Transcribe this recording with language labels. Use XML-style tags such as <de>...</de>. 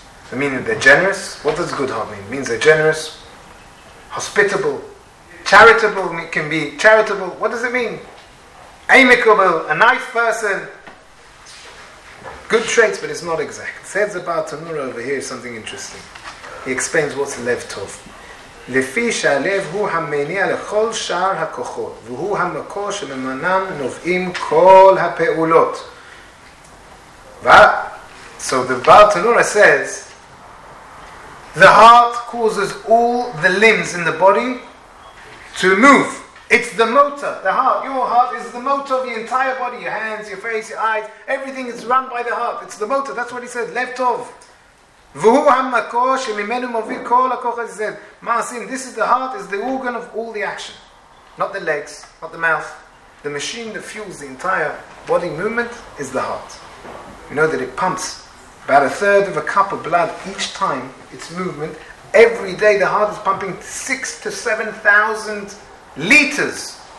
<en>The meaning they're generous. What does good heart mean? It means they're generous, hospitable, charitable, can be charitable. What does it mean? Amicable, a nice person. Good traits, but it's not exact. Says about Tanura over here is something interesting. he explains what's Lev Tov.</en> <he>לפי שהלב הוא המניע לכל שאר הכוחות, והוא המקור שממנם נובעים כל הפעולות.</he> <en>So the Baal Tanura says, the heart causes all the limbs in the body to move. It's the motor, the heart. Your heart is the motor of the entire body. Your hands, your face, your eyes, everything is run by the heart. It's the motor. That's what he said, Lev Tov.</en> <he>והוא המקור שממנו מוביל כל הכוח הזה.</he> <en>מעשים, this is the heart, is the organ of all the action. Not the legs, not the mouth. The machine that fuels the entire body movement is the heart. You know that it pumps about a third of a cup of blood each time, its movement. Every day the heart is pumping 6,000 to 7,000 liters.</en>